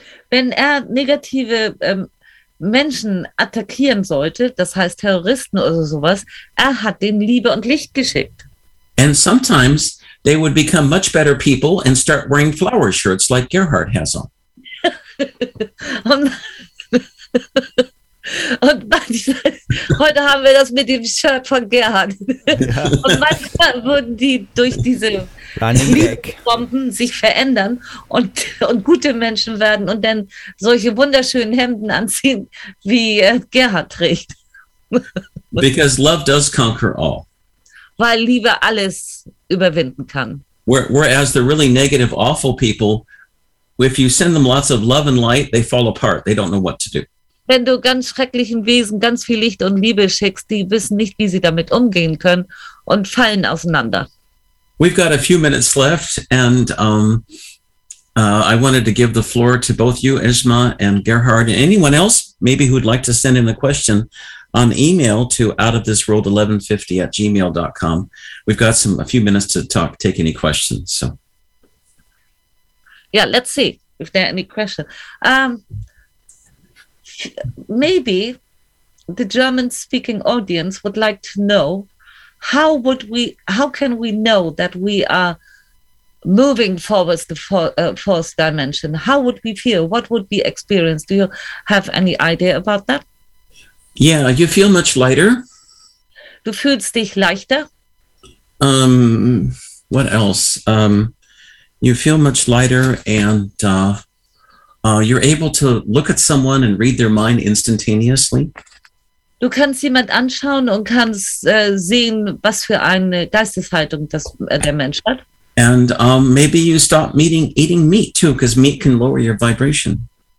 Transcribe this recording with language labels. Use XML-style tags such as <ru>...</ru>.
<de>Wenn er negative Menschen attackieren sollte, das heißt Terroristen oder sowas, er hat denen Liebe und Licht geschickt.</de> <en>And sometimes they would become much better people and start wearing flower shirts like Gerhard has on.</en> <de>Und manchmal, heute haben wir das mit dem Shirt von Gerhard. Ja. Und manchmal würden die durch diese Bomben sich verändern und gute Menschen werden und dann solche wunderschönen Hemden anziehen, wie Gerhard trägt.</de> <en>Because love does conquer all.</en> <de>Weil Liebe alles überwinden kann.</de> <en>Whereas the really negative, awful people, if you send them lots of love and light, they fall apart. They don't know what to do.</en> <de>Wenn du ganz schrecklichen Wesen ganz viel Licht und Liebe schickst, die wissen nicht, wie sie damit umgehen können und fallen auseinander.</de> <en>We've got a few minutes left and I wanted to give the floor to both you, Isma and Gerhard, and anyone else maybe who'd like to send in a question on email to outofthisworld1150@gmail.com. We've got a few minutes to talk, take any questions. So. Yeah, let's see if there are any questions. Maybe the German-speaking audience would like to know how can we know that we are moving forwards the fourth dimension? How would we feel? What would we experience? Do you have any idea about that? Yeah, you feel much lighter.</en> <de>Du fühlst dich leichter.</de> <en>What else? You feel much lighter and you're able to look at someone and read their mind instantaneously.</en> <de>Du kannst jemand anschauen und kannst sehen, was für eine Geisteshaltung der Mensch hat.</de> <en>And maybe you stop eating meat too, because meat can lower your vibration.</en>